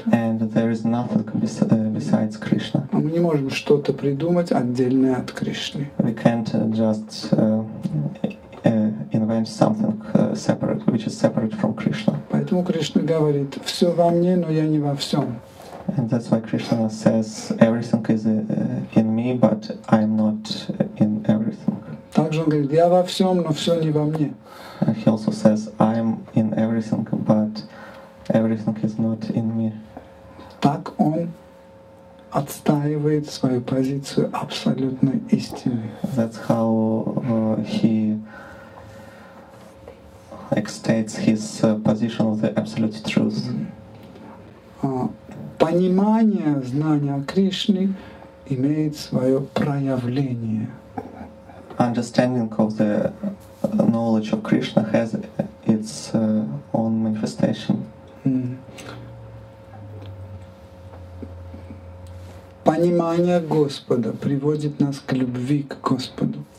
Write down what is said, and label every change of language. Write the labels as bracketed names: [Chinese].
[English] And there is nothing besides Krishna. [Russian] А мы не можем что-то придумать отдельное от Кришны. [English] We can't just invent something separate, which is separate from Krishna. [Russian] Поэтому Кришна говорит: все во мне, но я не во всем. [English] And that's why Krishna says everything is in me, but I'm not in everything. [Russian] Также он говорит: я во всем, но все не во мне. [English] And he also says, I'm in everything, but everything is not in me. [Russian] Так он отстаивает свою позицию абсолютной истины. [English] That's how he states his position of the absolute truth. [Russian] Понимание знания Кришны имеет свое проявление. [English] Understanding of the knowledge of Krishna has its own manifestation. [Russian] Понимание Господа приводит нас к любви к Господу.